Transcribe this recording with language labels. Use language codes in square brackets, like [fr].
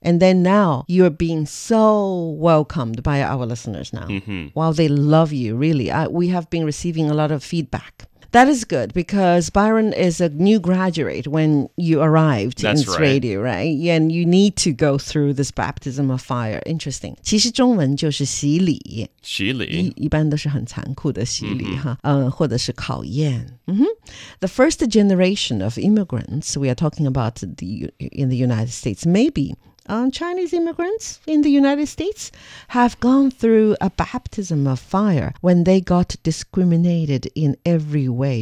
[en] And then now you're being so welcomed by our listeners now. While they love you, really. We have been receiving a lot of feedback. That is good because Byron is a new graduate when you arrived in this radio, right? And you need to go through this baptism of fire. [zh] Interesting. 其实中文就是洗礼。洗礼。一般都是很残酷的洗礼。或者是考验。 [en] The first generation of immigrants we are talking about in the United States, maybe Chinese immigrants in the United States have gone through a baptism of fire when they got discriminated in every way.